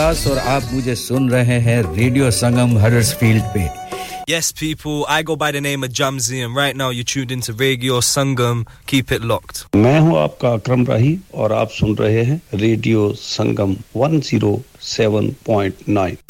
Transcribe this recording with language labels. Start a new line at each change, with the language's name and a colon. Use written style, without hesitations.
Hindi: और आप मुझे सुन रहे हैं रेडियो संगम हडर्सफील्ड पे.
English: Yes, people, I go by the name of Jamzy, and right now you're tuned into Radio Sangam. Keep it locked.
Hindi: मैं हूं आपका अकरम राही और आप सुन रहे हैं रेडियो संगम 107.9.